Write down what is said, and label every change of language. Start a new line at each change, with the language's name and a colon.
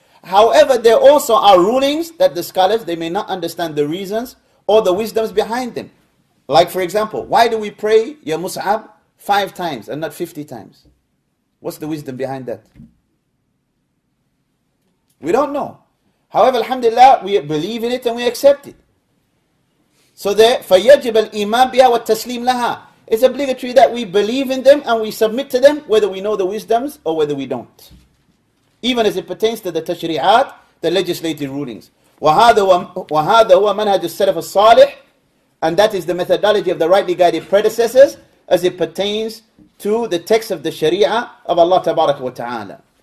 English: However, there also are rulings that the scholars, they may not understand the reasons or the wisdoms behind them. Like for example, why do we pray Ya Mus'ab 5 times and not 50 times? What's the wisdom behind that? We don't know. However, alhamdulillah, we believe in it and we accept it. So there,
Arabic: فَيَجِبَ الْإِيمَانَ بِهَا وَالتَّسْلِيمُ لَهَا.
English: It's obligatory that we believe in them and we submit to them, whether we know the wisdoms or whether we don't. Even as it pertains to the tashri'at, the legislative rulings.
Arabic: وَهَذَا هُوَ مَنْهَجُ السَّلَفَ الصَّالِحِ.
English: And that is the methodology of the rightly guided predecessors as it pertains to the text of the sharia of Allah tabarak wa ta'ala.